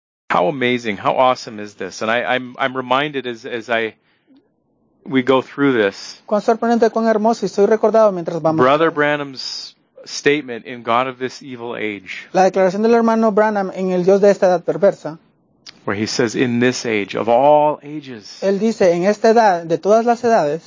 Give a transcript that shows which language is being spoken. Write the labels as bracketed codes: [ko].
[en] How amazing! How awesome is this? And I'm reminded as we go through this. [es] Cuán sorprendente, cuán hermoso. Estoy recordado mientras vamos. [en] Brother Branham's statement in God of this evil age. [es] La declaración del hermano Branham en el Dios de esta edad perversa. [en] Where he says, in this age, of all ages. [es] Él dice, en esta edad, de todas las edades.